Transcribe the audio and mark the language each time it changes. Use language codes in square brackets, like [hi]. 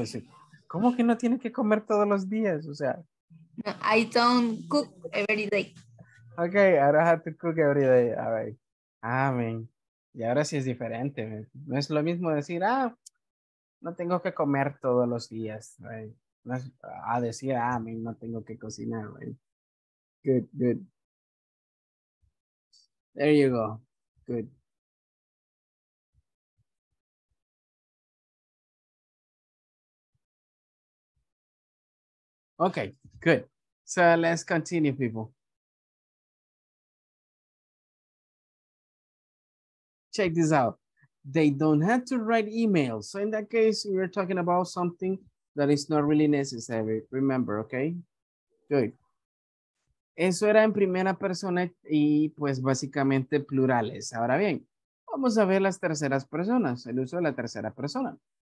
[es] Es, ¿cómo que no tiene que comer todos los días? O sea. [en] No, I don't cook every day. Okay, I don't have to cook every day. All right. Ah, man. [es] Y ahora sí es diferente. Man. No es lo mismo decir, ah, no tengo que comer todos los días. Right. No es, ah, decir, ah, man, no tengo que cocinar. [en] Right. Good, good. There you go. Good. Okay, good. So let's continue, people. Check this out. they don't have to write emails. So in that case, we're talking about something that is not really necessary. Remember, okay? Good. [es] Eso era en primera persona y pues básicamente plurales. Ahora bien, vamos a ver las terceras personas, el uso de la tercera persona.